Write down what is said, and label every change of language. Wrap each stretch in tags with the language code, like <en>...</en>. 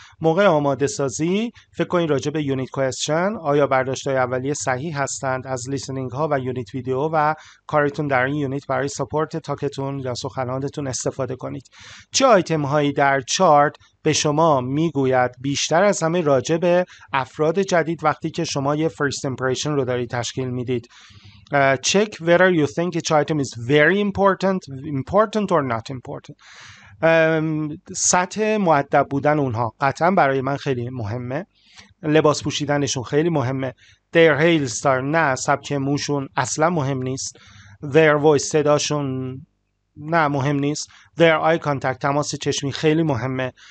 <fa>موقع آماده سازی فکر کنید راجع به یونیت کوئسشن، آیا برداشت‌های اولیه صحیح هستند از لیسنینگ ها و یونیت ویدیو و کارتون در این یونیت برای ساپورت تاکتون یا سخنانتون استفاده کنید. چه آیتم هایی در چارت به شما میگوید بیشتر از همه راجع به افراد جدید وقتی که شما یه فرست امپرشن رو دارید تشکیل میدید.</fa> <en>Check whether you think each item is very important, important or not important.</en> <fa>سطح مؤدب بودن اونها قطعا برای من خیلی مهمه. لباس پوشیدنشون خیلی مهمه.</fa> <en>Their hairstyle</en> <fa>نه، سبک موشون اصلا مهم نیست.</fa> <en>Their voice</en> <fa>صداشون نه مهم نیست.</fa> <en>Their eye contact</en> <fa>تماس چشمی خیلی مهمه.</fa>